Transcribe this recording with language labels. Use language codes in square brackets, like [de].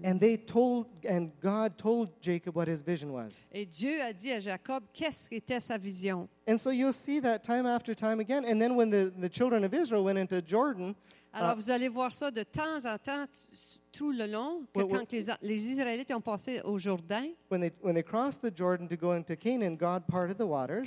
[en] And God told Jacob what his vision was. [fr] Et Dieu a dit à Jacob qu'est-ce qu'était sa vision. [en] And so you'll see that time after time again. And then when the children of Israel went into Jordan. [fr] Alors vous allez voir ça de temps en temps tout le long que quand les Israélites ont passé au Jourdain. [en] When they crossed the Jordan to go into Canaan, God parted the waters.